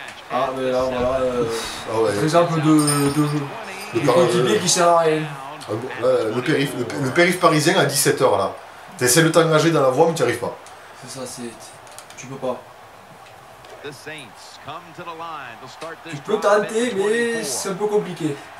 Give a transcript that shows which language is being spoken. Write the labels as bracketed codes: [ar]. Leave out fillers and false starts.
[fr] Ah, mais là, voilà, exemple de coéquipier qui sert à rien. Le périph' parisien à 17h, là. T'essaies de t'engager dans la voie, mais t'y arrives pas. C'est ça, tu peux pas. [en] The Saints come to the line. They'll start this. [fr] Tu peux tenter, mais c'est un peu compliqué.